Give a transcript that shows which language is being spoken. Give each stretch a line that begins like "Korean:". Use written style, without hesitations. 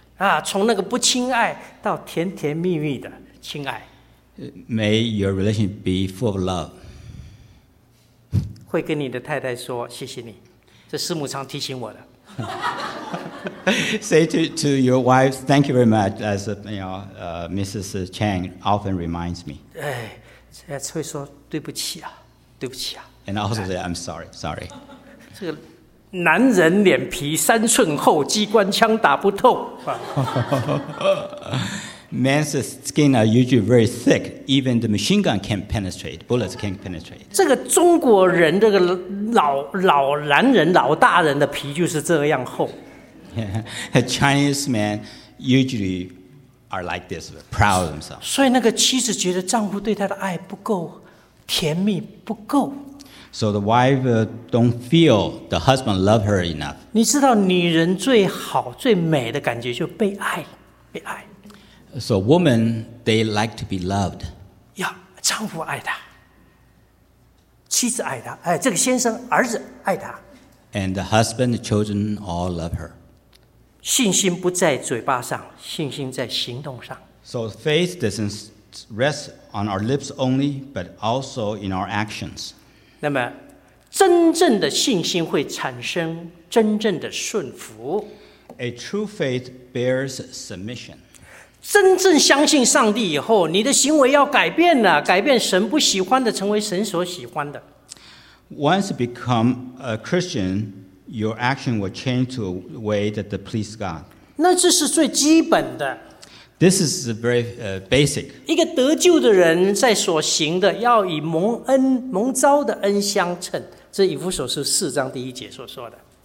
Chinese: 啊，从那个不亲爱到甜甜蜜蜜的亲爱。
English: May your relationship be full of love.
Chinese: 会跟你的太太说谢谢你，这师母常提醒我的。
English: Say to your wife, thank you very much, as you know, Mrs. Chang often reminds me.
Chinese: 哎，才会说对不起啊，对不起啊。
English: And also say I'm sorry, sorry.
Chinese: 这个男人脸皮三寸厚，机关枪打不透。
English: Men's skin are usually very thick. Even the machine gun can't penetrate. Bullets can't penetrate.
Chinese: 这个中国人，这个老男人、老大人的皮就是这样厚。
English: Yeah. Chinese men usually are like this, proud of themselves.
Chinese: 所以那个妻子觉得丈夫对她的爱不够甜蜜，不够。
English: So the wife don't feel the husband love her enough.
Chinese: 你知道，女人最好、最美的感觉就被爱，被爱。
English: So women, they like to be loved. Yeah,
Chinese: 丈夫爱她，妻子爱她，哎，这个先生儿子爱她。
English: And the husband, the children all love her.
Chinese: 信心不在嘴巴上，信心在行动上。
English: So faith doesn't rest on our lips only, but also in our actions.
Chinese: 那么，真正的信心会产生真正的顺服。
English: A true faith bears submission.
Chinese: 真正相信上帝以后，你的行为要改变了，改变神不喜欢的，成为神所喜欢的。
English: Once you become a Christian, your action will change to a way that pleases God.
Chinese: 那这是最基本的。
English: This is very basic.
Chinese: 一个得救的人在所行的，要以蒙恩蒙召的恩相称，这以弗所书四章第一节所说的。